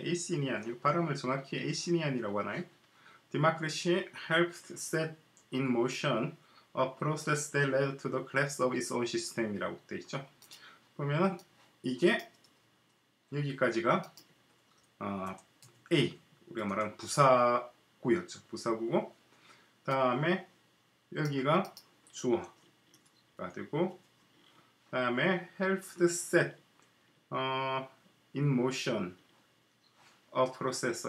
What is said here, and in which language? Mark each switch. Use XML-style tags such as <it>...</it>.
<ko>Athenian 이 발음을 정확히 Athenian이라고 하나요?</ko> <en>Democracy helped set in motion a process that led to the collapse of its own system</en> <ko>이라고 되어 있죠. 보면 이게 여기까지가 A 우리가 말한 부사구였죠. 부사구고 다음에 여기가 주어가 되고 다음에</ko> <en>helped set in motion a process.</en>